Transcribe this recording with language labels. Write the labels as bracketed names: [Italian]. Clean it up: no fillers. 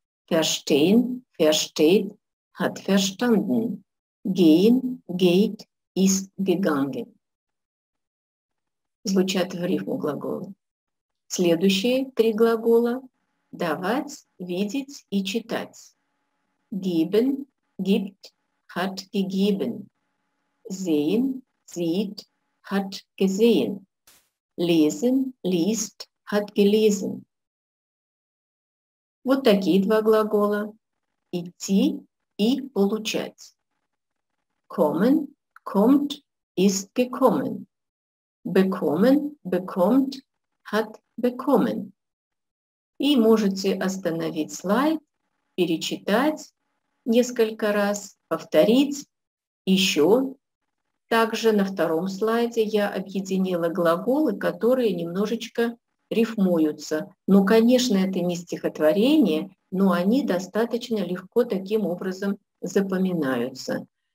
[German] «Verstehen», «versteht», «hat verstanden». «Gehen», «geht», «ist gegangen». [Russian] Звучат в рифму глаголы. Следующие три глагола – давать, видеть и читать. [German] Geben, gibt, hat gegeben. Sehen, sieht, hat gesehen. Lesen, liest, hat gelesen. [Russian] Вот такие два глагола – идти и получать. [German] Kommen, kommt, ist gekommen. Bekommen, bekommt, hat bekommen. [Russian] И можете остановить слайд, перечитать несколько раз, повторить. Еще также на втором слайде я объединила глаголы, которые немножечко рифмуются. Ну, конечно, это не стихотворение, но они достаточно легко таким образом запоминаются.